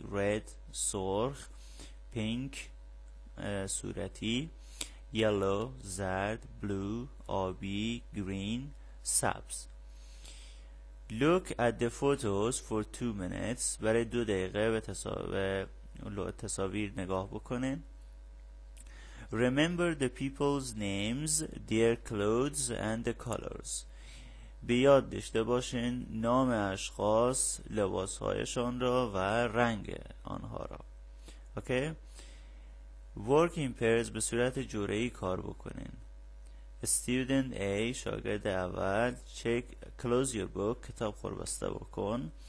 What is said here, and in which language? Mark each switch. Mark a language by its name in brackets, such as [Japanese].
[English] Red، سرخ. Pink، صورتی. Yellow، زرد. Blue، آبی. Green، سبز. Look at the photos for 2 minutes، [Persian] برای 2 دقیقه به تصاویر نگاه بکنین. [English] Remember the people's names، their clothes and the colors. [Persian] به یاد داشته باشین نام اشخاص، لباسهایشان را و رنگ آنها را. Okay، [English] work in pairs، [Persian] به صورت جوره ای کار بکنین. [English] Student A، [Persian] شاگرد اول. [English] Check، close your book، [Persian] کتاب خوربسته بکن.